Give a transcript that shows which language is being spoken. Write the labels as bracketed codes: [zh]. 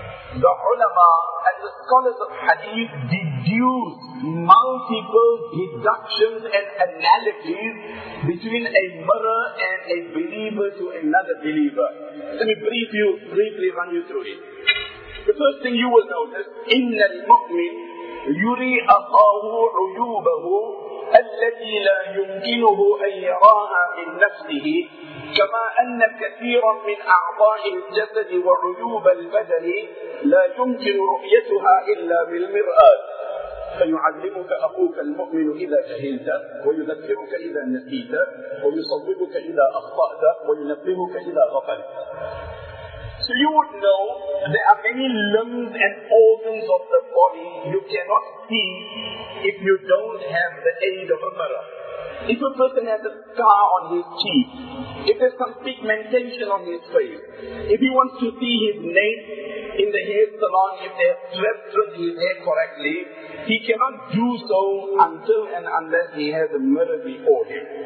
[en] The ulama and the scholars of hadith deduce multiple deductions and analogies between a mirror and a believer to another believer. Let me briefly run you through it. The first thing you will notice, [ar] إِنَّ الْمُؤْمِنُ يُرِي أَخَاهُ عُيُوبَهُ الَّذِي لَا يُمْكِنُهُ أَنْ يَرَاهَا مِنْ نَفْسِهِ كَمَا أَنَّ كَثِيرًا مِنْ أَعْضَاءِ الْجَسَدِ وَعُيُوبَ الْبَدَنِ لَا يُمْكِنُ رُؤْيَتُهَا إِلَّا بِالْمِرْآةِ فَيُعَلِّمُكَ أَخُوكَ الْمُؤْمِنُ إِذَا جَهِلْتَ وَيُذَكِّرُكَ إِذَا نَسِيتَ وَيُصَوِّبُكَ إِذَا أَخْطَأْتَ وَيُنَبِّهُكَ إِذَا غَفَلْتَ. [en] So you would know there are many limbs and organs of the body you cannot see if you don't have the aid of a mirror. If a person has a scar on his cheek, if there's some pigmentation on his face, if he wants to see his nails in the hair salon, if they have swept through his hair correctly, he cannot do so until and unless he has a mirror before him.